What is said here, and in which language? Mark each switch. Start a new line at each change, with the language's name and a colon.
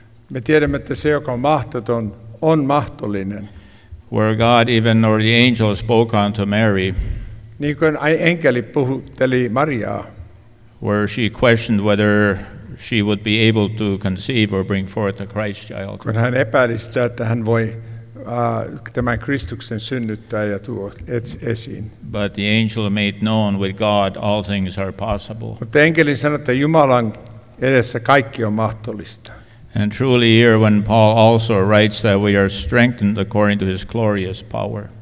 Finnish: Me tiedämme, että se, joka on mahdoton, on mahdollinen.
English: Where God even or the angel spoke unto Mary.
Finnish: Niin kuin enkeli puhutteli Mariaa.
English: Where she questioned whether she would be able to conceive or bring forth a Christ child.
Finnish: Kun hän epäili sitä, että hän voi tämän Kristuksen synnyttää ja tuo esiin.
English: But the angel made known with God all things are possible.
Finnish: Mutta enkeli sanoi, että Jumalan edessä kaikki on mahdollista.
English: And truly here when Paul also writes that we are strengthened according to his glorious power.